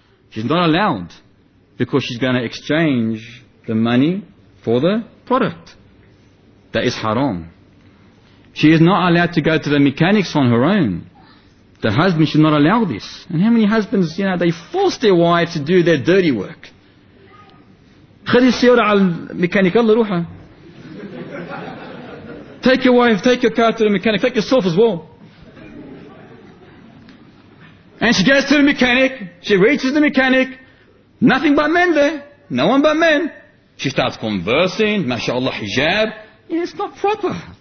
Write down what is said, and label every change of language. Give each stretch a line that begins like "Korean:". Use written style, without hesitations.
English: She's not allowed, because she's going to exchange the money for the product. That is haram. She is not allowed to go to the mechanics on her own. The husband should not allow this. And how many husbands, you know, they force their wives to do their dirty work.
Arabic: خذي السيارة على الميكانيك الله روحه.
English: Take your wife, take your car to the mechanic, take yourself as well. And she goes to the mechanic, she reaches the mechanic, nothing but men there, no one but men. She starts conversing, mashallah, hijab. Yeah, it's not proper.